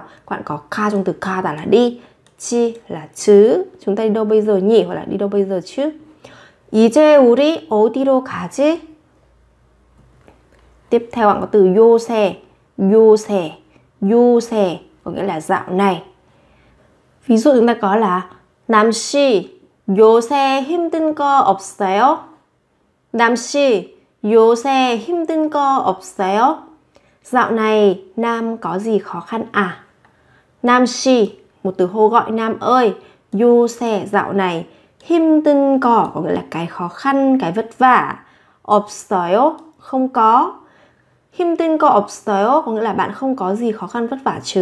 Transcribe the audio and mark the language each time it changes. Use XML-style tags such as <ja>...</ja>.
<vi>Các bạn có 가 trong từ 가다 là đi. 지 là chứ. Chúng ta đi đâu bây giờ nhỉ hoặc là đi đâu bây giờ chứ?</vi> <ko>이제 우리 어디로 가지?</ko> <vi>Tiếp theo bạn có từ 요새.</vi> <ko>요새.</ko> <vi>요새 có nghĩa là dạo này. Ví dụ chúng ta có là</vi> <ko>남씨 요새 힘든 거 없어요? 남씨 요새 힘든 거 없어요?</ko> <vi>Dạo này Nam có gì khó khăn à? 남씨 một từ hô gọi Nam ơi. 요새 dạo này 힘든 거 có nghĩa là cái khó khăn, cái vất vả. 없어요 không có.</vi> <ko>힘든 거 없어요</ko> <vi>có nghĩa là bạn không có gì khó khăn vất vả chứ.</vi>